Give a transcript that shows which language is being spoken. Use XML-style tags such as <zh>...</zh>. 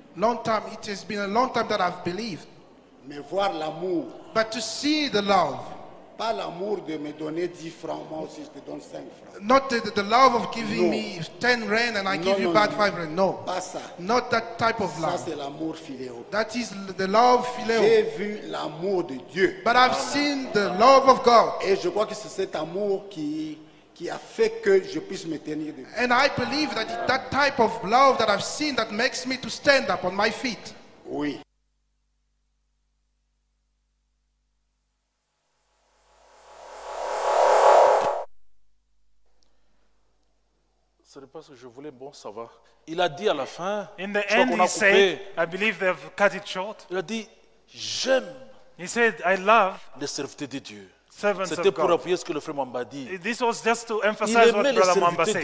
<en>Long time, it has been a long time that I've believed.</en> <fr>Mais voir l'amour.</fr> <en>But to see the love.</en> <fr>Pas l'amour de me donner 10 francs, moi aussi je te donne 5 francs.</fr> <en>Not the love of giving me 10 rand and I give you back 5 rand. No.</en> <fr>Pas ça.</fr> <en>Not that type of love.</en> <fr>Ça c'est l'amour philéo.</fr> <en>That is the love philéo.</en> <fr>J'ai vu l'amour de Dieu.</fr> <en>But I've seen the love of God.</en> <fr>Et je crois que c'est cet amour qui a fait que je puisse me tenir debout.</fr> <en>And I believe that that type of love that I've seen that makes me to stand up on my feet.</en> <fr>Oui. Ce n'est pas ce que je voulais, bon, ça va. Il a dit à la fin,</fr> <en>in the end, he said, I believe they've cut it short.</en> <fr>Il a dit, j'aime.</fr> <en>He said, I love.</en> <fr>Les serviteurs de Dieu.</fr> <en>Servants</en> <fr>c'était</fr> <en>of God.</en> <fr>Pour appuyer ce que le frère Mamba dit.</fr> <en>This was just to emphasize what Brother Mamba said.</en>